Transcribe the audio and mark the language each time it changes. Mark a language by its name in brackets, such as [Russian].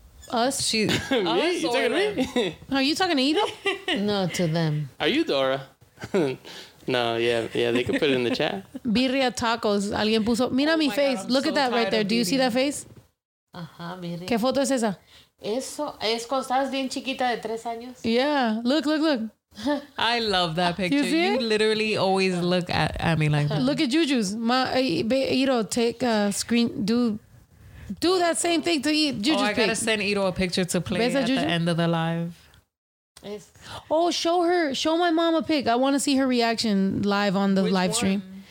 [English] Us? She, me? Us, you talking to me? Are you talking to Ido? No, to them. Are you Dora? No, yeah, they could put it in the chat. [Spanish] Birria tacos. Alguien puso. Mira mi face. [English] God, look so at that right there. Do you see that face? [Spanish] Ajá, birria. ¿Qué foto es esa? Eso es cuando estás bien chiquita de 3 años. [English] Yeah, look. I love that picture. You literally always look at me like that. Look at Juju's. Ido, take a screen. Do that same thing to eat. Juju's pic. Oh, I gotta send Ido a picture to play at the end of the live. Oh, show her. Show my mom a pic. I want to see her reaction live on the live stream.